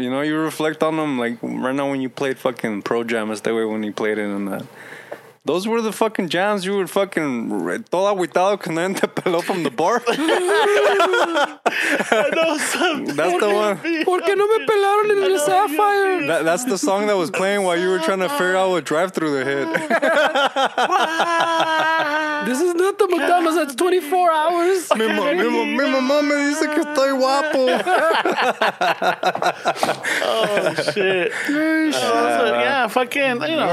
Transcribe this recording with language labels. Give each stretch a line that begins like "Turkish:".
English: You know, you reflect on them, like, right now when you played fucking Pro Jam,
Spanish: este güey,
English: when he played it in that. Those were the fucking jams you would fucking
Spanish: toda aguitado con el pelo
English: from the bar. That's the one.
Spanish: ¿Por qué no me pelaron en el Sapphire?
English: That's the song that was playing while you were trying to figure out what drive-thru they hit. This is not the McDonald's. That's 24 hours.
Spanish: Mi mamá me dice que estoy guapo.
English: Oh, shit. Yeah, fucking, you know.